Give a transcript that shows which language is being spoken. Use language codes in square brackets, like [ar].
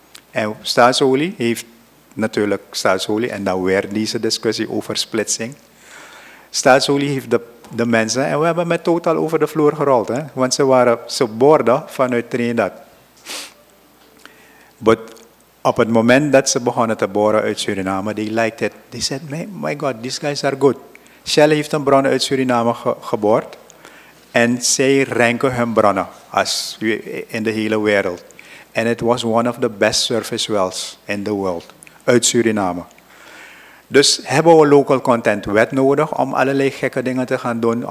[nl] En staatsolie heeft natuurlijk, staatsolie, en dan weer deze discussie over splitsing. Staatsolie heeft de mensen, en we hebben met Total over de vloer gerold, hè, want ze waren, ze boorden vanuit Trinidad. But op het moment dat ze begonnen te boren uit Suriname, die [en] liked it. Die said, my God, these guys are good. [nl] Shell heeft een bron uit Suriname geboord. En zij ranken hun bronnen als in de hele wereld. En het was [en] one of the best surface wells in the world. [nl] Uit Suriname. Dus hebben we local content wet nodig om allerlei gekke dingen te gaan doen.